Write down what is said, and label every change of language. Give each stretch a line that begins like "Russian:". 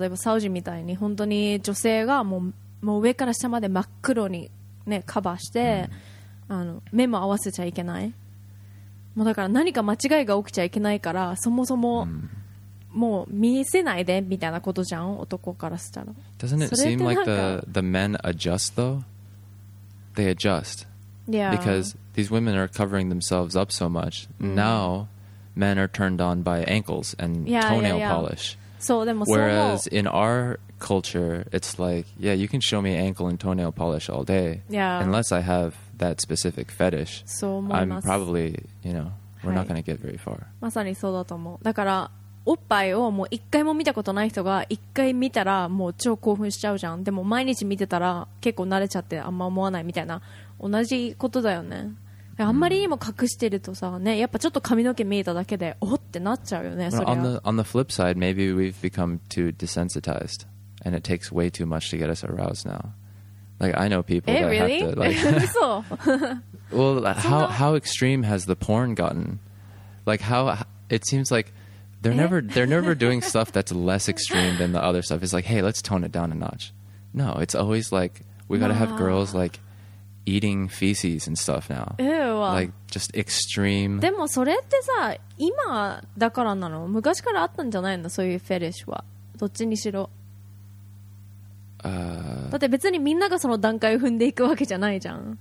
Japanese: 例えばサウジみたいに本当に女性がもう上から下まで真っ黒にね、カバーして、あの、目も合わせちゃいけない。もうだから何か間違いが起きちゃいけないから、そもそももう見せないでみたいなことじゃん、男からしたら。
English: Doesn't it seem like the men adjust though? They adjust. Yeah. Because these women are covering themselves up so much. Now, men are turned on by ankles and toenail polish.
Japanese: そう、でもそう。
English: Whereas in our culture, it's like, yeah, you can show me ankle and toenail polish all day. Yeah. Unless I have... that specific fetish,
Japanese: そう思います。
English: I'm probably, you know, we're、はい、not going to get very far.
Japanese: まさにそうだと思う。だからおっぱいをもう一回も見たことない人が一回見たらもう超興奮しちゃうじゃん。でも毎日見てたら結構慣れちゃってあんま思わないみたいな、同じことだよね。あんまりにも隠してるとさ、ね、やっぱちょっと髪の毛見えただけでおってなっちゃうよね。
English: On the flip side, maybe we've become too desensitized and it takes way too much to get us aroused now. Like, I know people that、 really? have to, like... well, how extreme has the porn gotten? Like, how... It seems like they're never doing stuff that's less extreme than the other stuff. It's like, hey, let's tone it down a notch. No, it's always like we gotta have girls like eating feces and stuff now. Ew. Like just extreme.
Japanese: でもそれってさ、今だからなの？昔からあったんじゃないの？そういうフェレッシュは。どっちにしろ。だって別にみんながその段階を踏んでいくわけじゃないじゃん。